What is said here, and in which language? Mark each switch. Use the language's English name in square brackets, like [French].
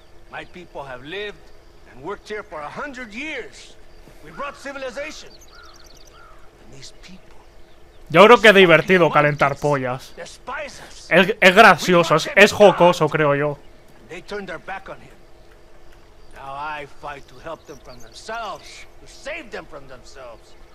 [English] My people have lived and worked here for 100 years. We brought civilization. And these people. [Spanish] Yo creo que es divertido calentar pollas. Es gracioso, es jocoso, creo yo. [English] They turned their back on him. Now I fight to help them from themselves, to save them from themselves.